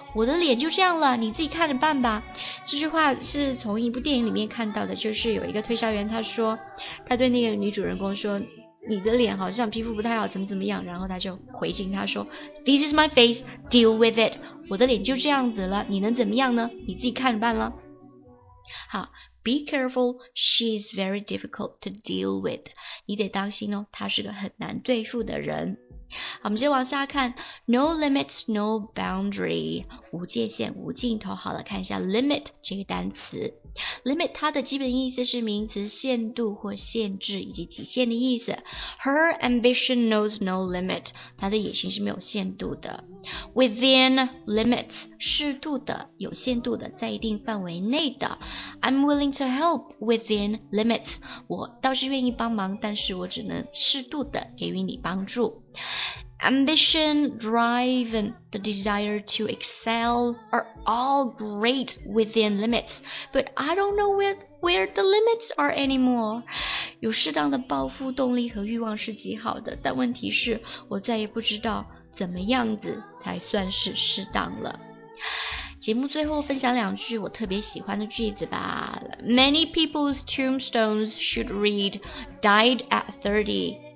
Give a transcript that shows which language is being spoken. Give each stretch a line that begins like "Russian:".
Chinese: 我的脸就这样了，你自己看着办吧。这句话是从一部电影里面看到的，就是有一个推销员，他说，他对那个女主人公说。你的脸好像皮肤不太好，怎么怎么样？然后他就回敬他说 ：
English: “This is my face, deal with it。”
Chinese: 我的脸就这样子了，你能怎么样呢？你自己看着办了。
English: 好 ，Be careful, she's very difficult to deal with。
Chinese: 你得当心哦，她是个很难对付的人。好，我们接着往下看 ，
English: No limits, no boundary，
Chinese: 无界限，无尽头。好了，看一下 limit 这个单词 ，limit 它的基本意思是名词，限度或限制以及极限的意思。
English: Her ambition knows no limit，
Chinese: 她的野心是没有限度的。
English: Within limits，
Chinese: 适度的，有限度的，在一定范围内的。
English: I'm willing to help within limits，
Chinese: 我倒是愿意帮忙，但是我只能适度的给予你帮助。
English: Ambition, drive, and the desire to excel are all great within limits, but I don't know where the limits are anymore.
Chinese: 有适当的抱负、动力和欲望是极好的，但问题是，我再也不知道怎么样子才算是适当了。节目最后分享两句我特别喜欢的句子吧。
English: Many people's tombstones should read, died at 30.